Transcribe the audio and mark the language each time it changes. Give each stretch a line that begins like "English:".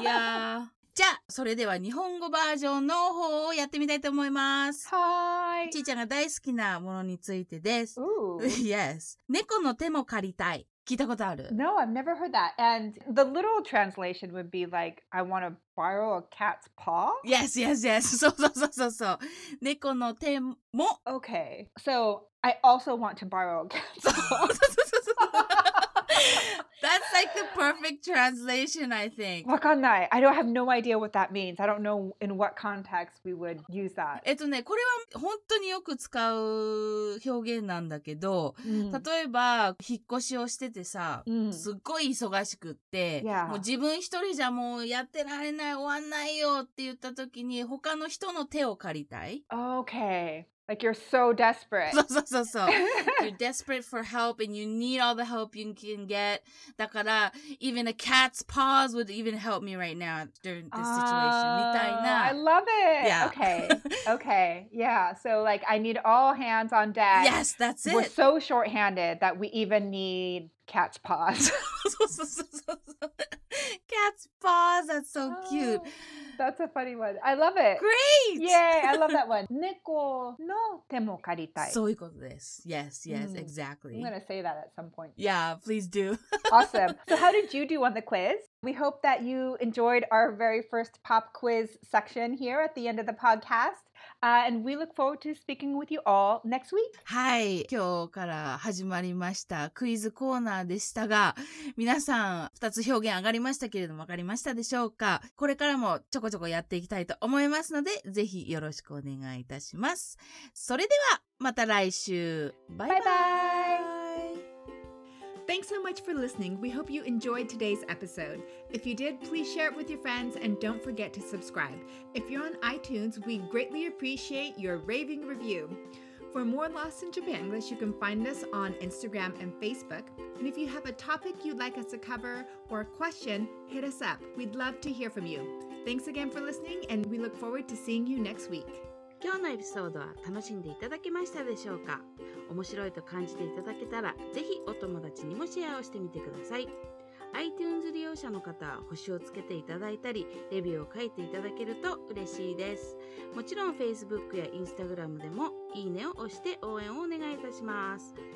Japanese: いやじゃあそれでは日本語バージョンの方をやってみたいと思います。はい。ちーちゃんが大好きなものについてです。
English: Ooh. Yes.
Japanese: 猫の手も借りたい。聞いたことある。
English: No, I've never heard that. And the literal translation would be like, I want to borrow a cat's paw? Yes, yes, yes.
Japanese: そうそうそうそうそう。猫の手も。
English: Okay. So, I also want to borrow a cat's paw.
Japanese: そうそうそうそう。
English: That's like the perfect translation, I think.
Japanese: わかんない。
English: I don't have no idea what that means. I don't know in what context we would use that.
Japanese: これは本当によく使う表現なんだけど、例えば引っ越しをしててさ、すっごい忙しくって、もう自分一人じゃもうやってられない、終わんないよって言った時に、他の人の手を借りたい。
English: Okay. Like you're so desperate.
Japanese: そうそうそうそう。
English: You're desperate for help and you need all the help you can get.
Japanese: だから
English: even a cat's paws would even help me right now during this situation.
Japanese: みたいな。
English: I love it. Yeah. Okay. Okay. Yeah. So like I need all hands on deck. Yes, that's it. We're so short-handed that we even need cat's paws.
Japanese: そうそうそうそう。
English: Cat's paws, that's so cute. That's a funny one. I love it. Great! Yay, I love that one.
Japanese: 猫の手も借りたい。そういうことです。
English: Yes, yes, exactly. I'm gonna say that at some point. Yeah, please do. Awesome. So how did you do on the quiz? We hope that you enjoyed our very first pop quiz section here at the end of the podcast. And we look forward to speaking with you all next week.
Japanese: はい、今日から始まりましたクイズコーナーでしたが、皆さん2つ表現上がりましたけれども、分かりましたでしょうか？これからもちょこちょこやっていきたいと思いますので、ぜひよろしくお願いいたします。それではまた来週。バイバイ。バイバイ。
English: Thanks so much for listening. We hope you enjoyed today's episode. If you did, please share it with your friends and don't forget to subscribe. If you're on iTunes, we greatly appreciate your raving review. For more Lost in Japanglish, you can find us on Instagram and Facebook. And if you have a topic you'd like us to cover or a question, hit us up. We'd love to hear from you. Thanks again for listening and we look forward to seeing you next week.
Japanese: 今日のエピソードは楽しんでいただけましたでしょうか？面白いと感じていただけたら、ぜひお友達にもシェアをしてみてください。 iTunes 利用者の方は星をつけていただいたり、レビューを書いていただけると嬉しいです。もちろん Facebook や Instagram でもいいねを押して応援をお願いいたします。